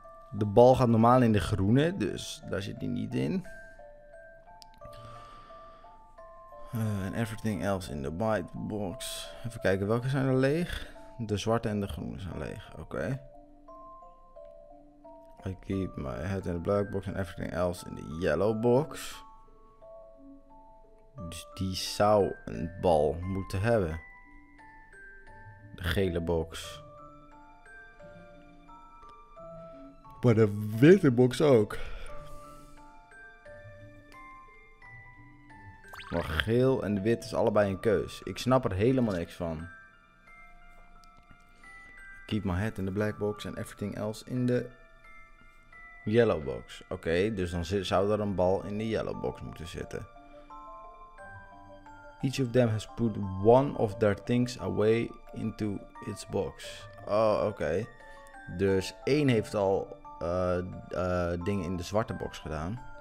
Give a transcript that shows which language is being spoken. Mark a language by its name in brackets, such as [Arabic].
[Dutch] De bal gaat normaal in de groene, dus daar zit die niet in. [English] And everything else in the white box. [Dutch] Even kijken, welke zijn er leeg? De zwarte en de groene zijn leeg. Oké. [English] I keep my head in the black box and everything else in the yellow box. [Dutch] Dus die zou een bal moeten hebben. De gele box. Maar de witte box ook. Maar geel en wit is allebei een keus. Ik snap er helemaal niks van. [English] Keep my head in the black box and everything else in the yellow box. [Dutch] Oké, dus dan zou er een bal in de [English] yellow box [Dutch] moeten zitten. [English] Each of them has put one of their things away into its box. [Dutch] Oh, oké. Dus één heeft al dingen in de zwarte box gedaan.